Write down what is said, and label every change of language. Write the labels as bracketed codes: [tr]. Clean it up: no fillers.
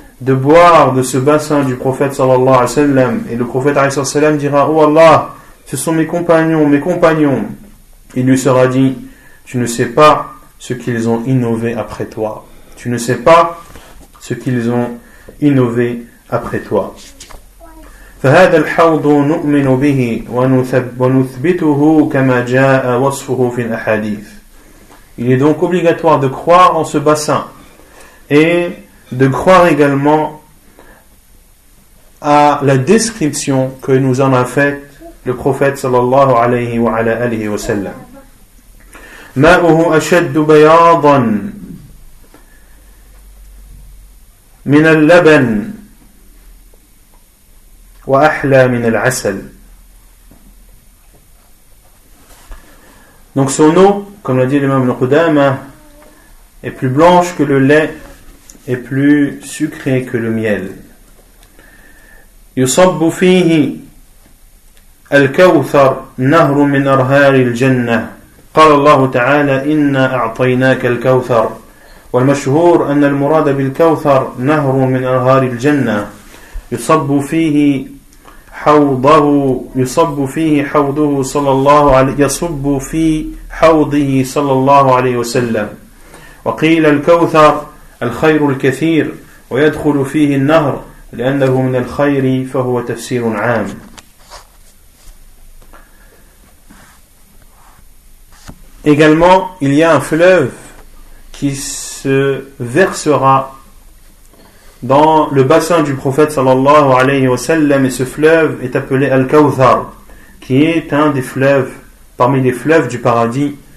[fr] de boire de ce bassin du prophète sallallahu alayhi wa sallam. Et le prophète sallallahu alayhi wa sallam dira: oh Allah, ce sont mes compagnons, mes compagnons. Il lui sera dit: tu ne sais pas ce qu'ils ont innové après toi. Tu ne sais pas ce qu'ils ont innové après toi. [ar] فهذا الحوض نؤمن به ونثبته كما جاء وصفه في الأحاديث. [fr] Il est donc obligatoire de croire en ce bassin et de croire également à la description que nous en a faite le prophète sallallahu alayhi wa ala alihi wa sallam. [ar] ماؤه أشد بياضا من اللبن وأحلى من العسل. [fr] Donc son eau, comme l'a dit l'imam al-Qudama, est plus blanche que le lait et plus sucrée que le miel. [ar] يصب فيه الكوثر نهر من أرهار الجنة. قال الله تعالى: إنا أعطيناك الكوثر. والمشهور أن المراد بالكوثر نهر من أرهار الجنة. يصب فيه حوضه يصب فيه حوضه صلى الله عليه يصب في حوضه صلى الله عليه وسلم. وقيل الكوثر الخير الكثير ويدخل فيه النهر لأنه من الخير فهو تفسير عام. [fr] Également, il y a un fleuve qui se versera dans le bassin du prophète sallallahu alayhi wa sallam, et ce fleuve est appelé Al-Kawthar, qui est un des fleuves, parmi les fleuves du paradis.